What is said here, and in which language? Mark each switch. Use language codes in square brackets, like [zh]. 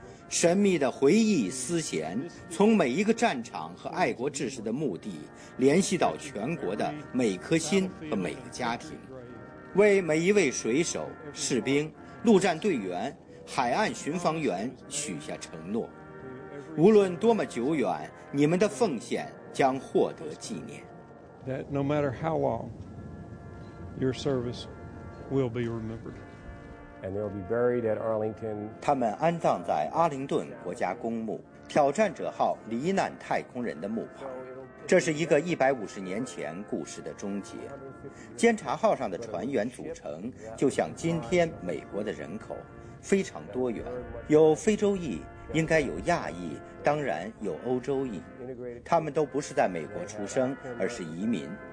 [zh] 神秘的回忆丝弦从每一个战场和爱国志士的墓地联系到全国的每颗心和每个家庭，为每一位水手、士兵、陆战队员、海岸巡防员许下承诺，无论多么久远，你们的奉献将获得纪念。 [en] That no matter how long, your service will be remembered. And they'll be buried at Arlington. [zh] 他们安葬在阿灵顿国家公墓，挑战者号罹难太空人的墓旁。这是一个150年前故事的终结。监察号上的船员组成，就像今天美国的人口，非常多元，有非洲裔，应该有亚裔，当然有欧洲裔，他们都不是在美国出生，而是移民。